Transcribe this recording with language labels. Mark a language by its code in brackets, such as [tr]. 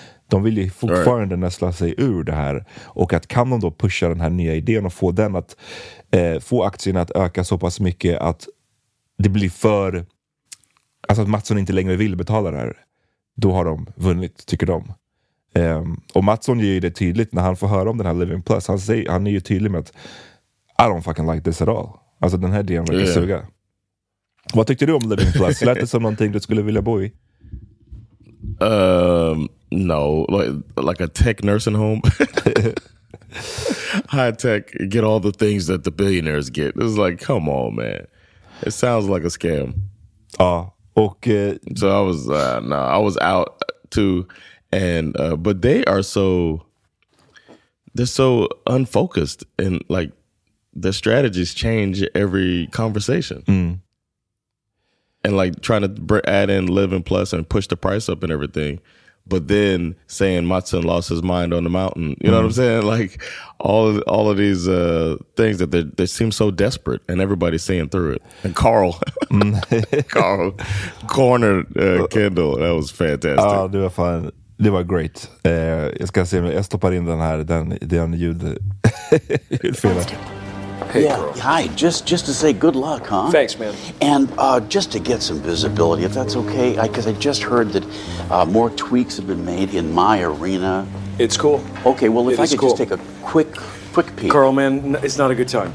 [sv] De vill ju fortfarande näsla sig ur det här, och att kan de då pusha den här nya idén och få den att få aktierna att öka så pass mycket att det blir för, alltså att Mattsson inte längre vill betala det här, då har de vunnit, tycker de. Och Mattsson gör ju det tydligt när han får höra om den här Living Plus. Han är ju tydlig med att [en] I don't fucking like this at all. [sv] Alltså den här delen verkar suga. Vad tyckte du om Living Plus? Lät det som någonting du skulle vilja bo i? [en] No. Like a tech nursing home. High tech. Get all the things that the billionaires get. It's like, come on, man. It sounds like a scam. [sv] Ja. Och, [en] so I was I was out too, and but they are so, they're so unfocused, and like their strategies change every conversation. Mm. And like trying to add in Living Plus and push the price up and everything, but then saying Mattsson lost his mind on the mountain, you know what I'm saying? Like all of these things that they seem so desperate, and everybody's seeing through it. And Carl, Carl cornered Kendall. That was fantastic. [sv] Ja, det var fan. Det var great. Jag ska se om jag stoppar in den här den ljud. [en] Hey, yeah, girl. Hi, just to say good luck, huh? Thanks, man. And just to get some visibility, if that's okay, because I just heard that more tweaks have been made in my arena. It's cool. Okay, well, if it I could cool. just take a quick peek. Carl, man, it's not a good time.